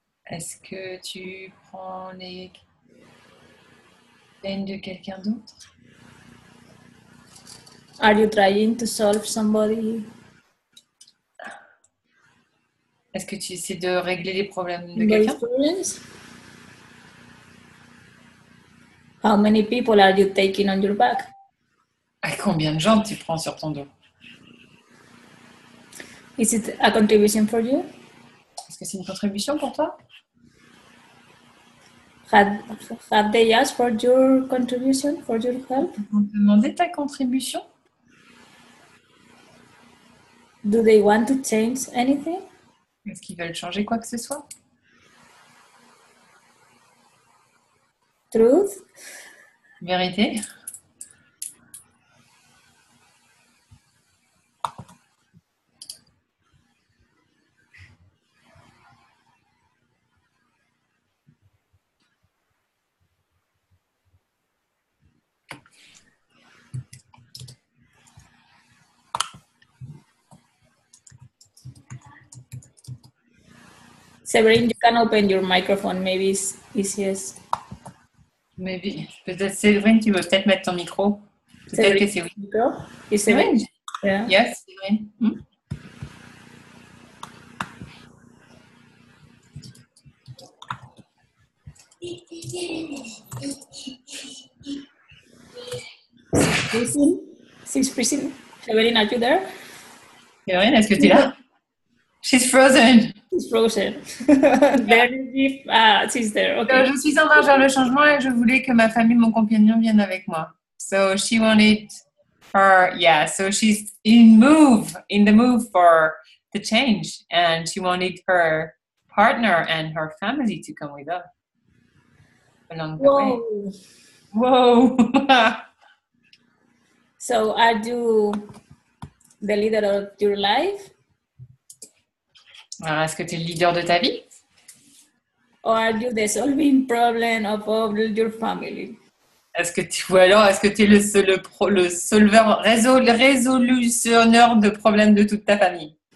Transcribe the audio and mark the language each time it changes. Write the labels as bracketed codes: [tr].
[fr] Est-ce que tu prends les peines de quelqu'un d'autre? [en] Are you trying to solve somebody? [fr] Est-ce que tu essaies de régler les problèmes de quelqu'un? [en] Problems? How many people are you taking on your back? [fr] À combien de gens tu prends sur ton dos? [en] Is it a contribution for you? [fr] Est-ce que c'est une contribution pour toi? [en] Have they asked for your contribution, for your help? [fr] On te demandait ta contribution? [en] Do they want to change anything? [fr] Est-ce qu'ils veulent changer quoi que ce soit? [en] Truth? [fr] Vérité? [en] Séverine, you can open your microphone, maybe it's easiest. Maybe. [fr] Peut-être, Séverine, tu veux peut-être mettre ton micro. Peut-être Séverine. Que c'est oui. [en] Is Séverine? Séverine. Yeah. Yes, Séverine. She's freezing. Séverine, are you there? [fr] Séverine, est-ce que tu es là? [en] She's frozen. She's frozen. She's there. Okay. [fr] Je suis en train de faire le changement et je voulais que ma famille, mon compagnon, vienne avec moi. [en] So she wanted her, yeah, so she's in move, in the move for the change, and she wanted her partner and her family to come with her along the way. Whoa. So are you the leader of your life? [fr] Alors, est-ce que tu es le leader de ta vie? [en] Or are you the solving problem of all your family? [fr] Est-ce que tu, ou alors, est-ce que tu es le solveur, résolutionneur de problèmes de toute ta famille?